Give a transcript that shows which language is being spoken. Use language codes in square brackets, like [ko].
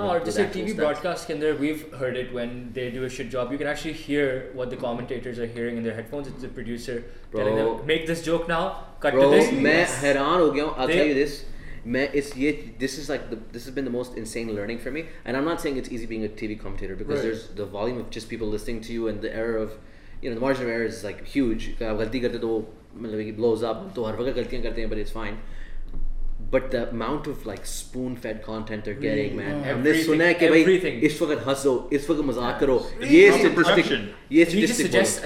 [en] or just a TV broadcast can there we've heard it when they do a shit job you can actually hear what the commentators are hearing in their headphones it's the producer bro, telling them make this joke now cut bro, to this [hi] main [en] yes. [hi] hairan ho gaya hu [en] I'll tell you this Man, it's ye. This is like the. This has been the most insane learning for me, and I'm not saying it's easy being a TV commentator because right. there's the volume of just people listening to you, and the error of, you know, the margin of error is like huge. [hi] गलती करते तो मतलब कि [en] blows up. [hi] तो हर वक्त गलतियाँ करते हैं, [en] but it's fine. But the amount of like spoon-fed content they're getting, man. [hi] हमने सुना है कि भाई इस वक्त हंसो, इस वक्त मजाक करो. ये statistic. ये statistic.